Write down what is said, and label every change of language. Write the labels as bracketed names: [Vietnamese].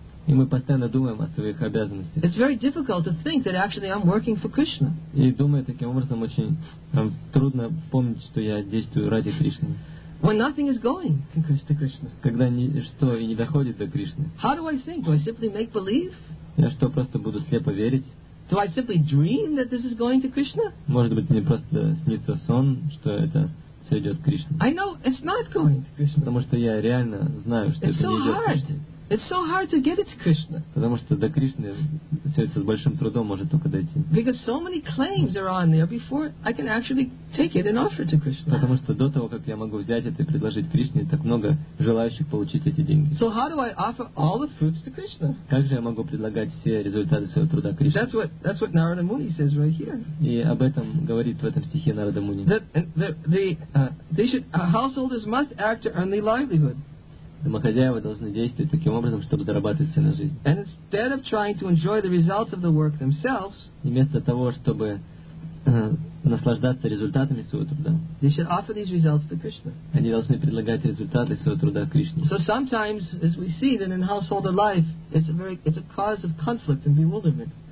[Russian] И мы постоянно думаем о своих обязанностях. [English] It's very difficult to think that actually I'm working for Krishna. [Russian] И думая таким образом, очень трудно помнить, что я действую ради Кришны. [English] When nothing is going to Krishna. [Russian] Когда ничто и не доходит до Кришны. [English] How do I think? Do I simply make believe? [Russian] Я что, просто буду слепо верить? [English] Do I simply dream that this is going to Krishna? [Russian] Может быть, мне просто снится сон, что это все идет к Кришне. [English] I know it's not going to Krishna. [Russian] Потому что я реально знаю, что это не идет к Кришне. [English] It's so hard to get it to Krishna. [Russian] Потому что до Кришны все это с большим трудом может только дойти. [English] Because so many claims are on there before I can actually take it and offer it to Krishna. [Russian] Потому что до того, как я могу взять это и предложить Кришне, так много желающих получить эти деньги. [English] So how do I offer all the fruits to Krishna? [Russian] Как же я могу предлагать все результаты своего труда Кришне? [English] That's what Narada Muni says right here. [Russian] И об этом говорит в этом стихе Нарада Муни. [English] That householders must act to earn their livelihood. [Russian] Домохозяева должны действовать таким образом, чтобы зарабатывать все на жизнь. [English] And instead of trying to enjoy the results of the work themselves, [Russian] и вместо того, чтобы наслаждаться результатами своего труда, [English] they should offer these results to Krishna. [Russian] Они должны предлагать результаты своего труда Кришне. [English] So sometimes, as we see, that in household life, it's a cause of conflict and bewilderment.